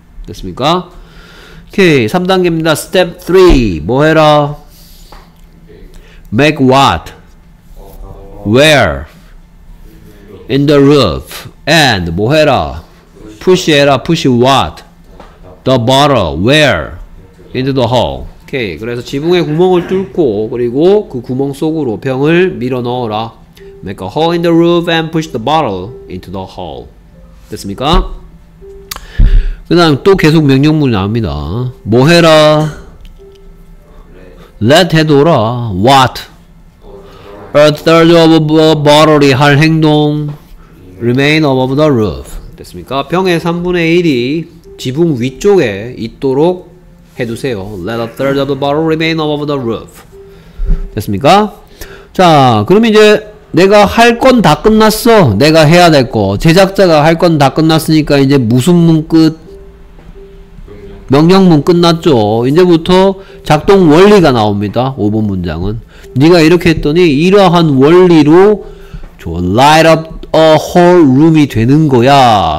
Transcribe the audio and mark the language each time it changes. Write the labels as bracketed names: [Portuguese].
[Korean] 됐습니까? 오케이, 3단계입니다. 스텝 3. 뭐 해라? [English] Make what? Where? In the roof. And [Korean] 뭐 해라? [English] Push 해라. Push what? The bottle. Where? Into the hole. [Korean] 오케이, 그래서 지붕에 구멍을 뚫고 그리고 그 구멍 속으로 병을 밀어 넣어라. [English] Make a hole in the roof and push the bottle into the hole. [Korean] 됐습니까? 그 다음 또 계속 명령문이 나옵니다. 뭐 해라? Let 해둬라. [English] What? A third of a bottle이 할 행동. Remain above the roof. [Korean] 됐습니까? 병의 3분의 1이 지붕 위쪽에 있도록 해두세요. [English] Let a third of the bottle remain above the roof. [Korean] 됐습니까? 자, 그럼 이제 내가 할 건 다 끝났어. 내가 해야 될 거. 제작자가 할 건 다 끝났으니까 이제 무슨 문 끝? 명령문 끝났죠. 이제부터 작동 원리가 나옵니다. 5번 문장은. 네가 이렇게 했더니 이러한 원리로 [English] light up a whole room [Korean] 이 되는 거야.